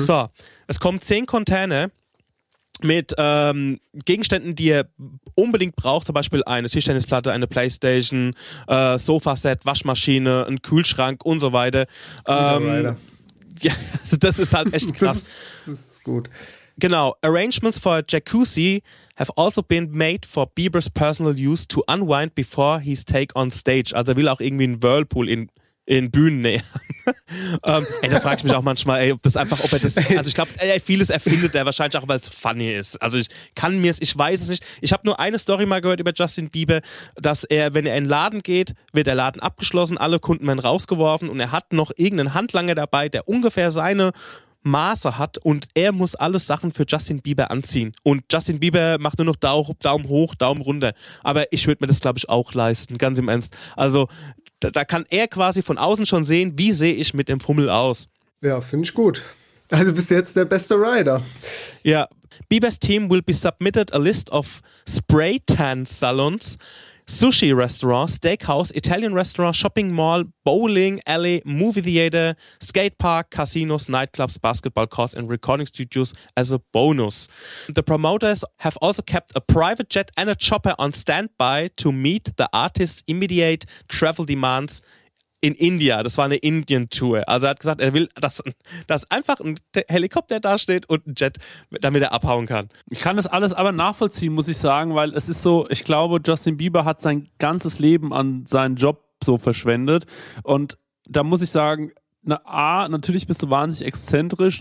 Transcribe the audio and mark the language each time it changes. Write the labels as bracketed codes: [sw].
[de] So, es kommen 10 Container mit Gegenständen, die er unbedingt braucht, zum Beispiel eine Tischtennisplatte, eine Playstation, Sofaset, Waschmaschine, ein Kühlschrank und so weiter. Ja, also das ist halt echt krass. Das ist gut. Genau. [en] Arrangements for a jacuzzi have also been made for Bieber's personal use to unwind before his take on stage. [de] Also er will auch irgendwie einen Whirlpool in Bühnennähe. ey, da frage ich mich auch manchmal, ey, ob er das, also ich glaube, vieles erfindet er wahrscheinlich auch, weil es funny ist. Also ich weiß es nicht. Ich habe nur eine Story mal gehört über Justin Bieber, dass er, wenn er in den Laden geht, wird der Laden abgeschlossen, alle Kunden werden rausgeworfen und er hat noch irgendeinen Handlanger dabei, der ungefähr seine Maße hat und er muss alle Sachen für Justin Bieber anziehen. Und Justin Bieber macht nur noch Daumen hoch, Daumen runter. Aber ich würde mir das, glaube ich, auch leisten, ganz im Ernst. Also da kann er quasi von außen schon sehen, wie sehe ich mit dem Fummel aus. Ja, finde ich gut. Also bist du jetzt der beste Rider. Ja. [en] Bieber's team will be submitted a list of spray tan salons, sushi restaurants, steakhouse, Italian restaurant, shopping mall, bowling alley, movie theater, skate park, casinos, nightclubs, basketball courts and recording studios as a bonus. The promoters have also kept a private jet and a chopper on standby to meet the artist's immediate travel demands in India. [de] Das war eine Indian Tour. Also er hat gesagt, er will, dass einfach ein Helikopter da steht und ein Jet, damit er abhauen kann. Ich kann das alles aber nachvollziehen, muss ich sagen, weil es ist so, ich glaube, Justin Bieber hat sein ganzes Leben an seinen Job so verschwendet. Und da muss ich sagen, natürlich bist du wahnsinnig exzentrisch.